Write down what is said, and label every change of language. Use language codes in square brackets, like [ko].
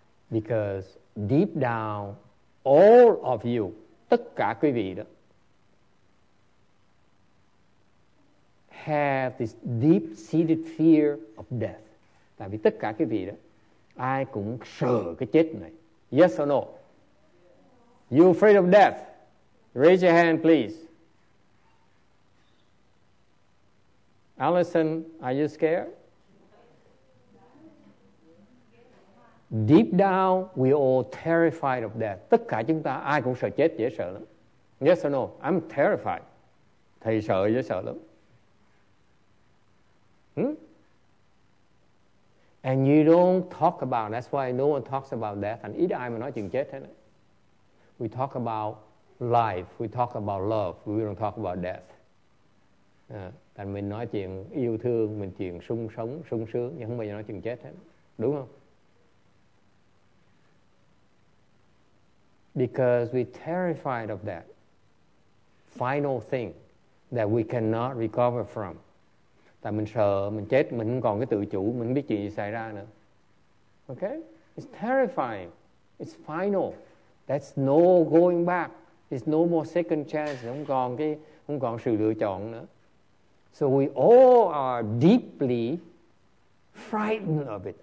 [en] Because deep down, all of you, [vi] tất cả quý vị đó, [en] have this deep-seated fear of death. [vi] Tại vì tất cả quý vị đó, ai cũng sợ cái chết này. [en] Yes or no? You afraid of death? Raise your hand, please. Allison, are you scared? Deep down, we all terrified of death. [vi] Tất cả chúng ta, ai cũng sợ chết, dễ sợ lắm. [en] Yes or no? I'm terrified. [vi] Thầy sợ, dễ sợ lắm. [en] And you don't talk about, that's why no one talks about death. [vi] And ít ai mà nói chuyện chết hết. [en] We talk about life, we talk about love, we don't talk about death. [vi] Thành mình nói chuyện yêu thương, mình chuyện sung sống, sung sướng, nhưng không bao giờ nói chuyện chết hết. Đúng không? [en] Because we're terrified of that final thing that we cannot recover from. [vi] Tại mình sợ, mình chết, mình không còn cái tự chủ, mình không biết chuyện gì xảy ra nữa. [en] Okay? It's terrifying. It's final. That's no going back. It's no more second chance. [vi] Không còn sự lựa chọn nữa. [en] So we all are deeply frightened of it.